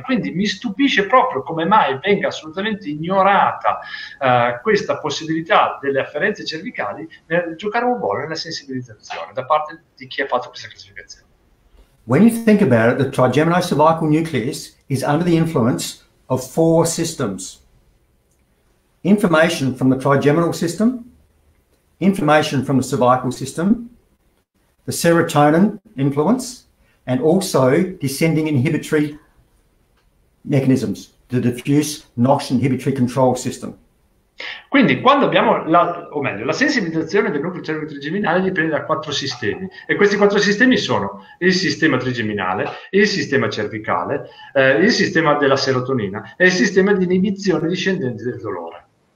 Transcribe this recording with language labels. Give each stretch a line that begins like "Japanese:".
Italian: Quindi mi stupisce proprio come mai venga assolutamente ignorata questa possibilità delle afferenze cervicali nel giocare un ruolo nella sensibilizzazione da parte di chi ha fatto questa classificazione.
English: When you think about it, the trigeminocervical nucleus is under the influence of four systems. information from the trigeminal system, information from the cervical system, the serotonin influence, and also descending inhibitory mechanisms, the diffuse NOX inhibitory control system.
Italian: Quindi quando abbiamo, la sensibilizzazione del nucleo cervico trigeminale dipende da quattro sistemi, e questi quattro sistemi sono il sistema trigeminale, il sistema cervicale, il sistema della serotonina e il sistema di inibizione discendente del dolore.